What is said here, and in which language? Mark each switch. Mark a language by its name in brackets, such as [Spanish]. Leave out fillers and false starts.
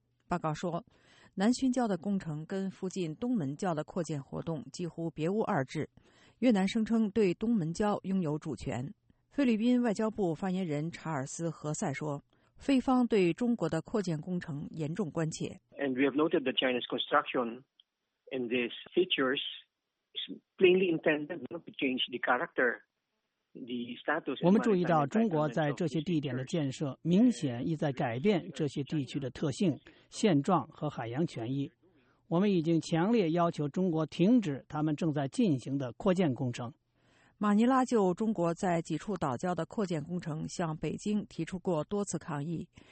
[Chinese] 报告说，南熏礁的工程跟附近东门礁的扩建活动几乎别无二致。越南声称对东门礁拥有主权。菲律宾外交部发言人查尔斯·何塞说，菲方对中国的扩建工程严重关切。 [English] And we have noted that China's construction in these features is plainly intended to change the character. [Chinese] 我们注意到中国在这些地点的建设明显意在改变这些地区的特性、现状和海洋权益。我们已经强烈要求中国停止他们正在进行的扩建工程。马尼拉就中国在几处岛礁的扩建工程向北京提出过多次抗议。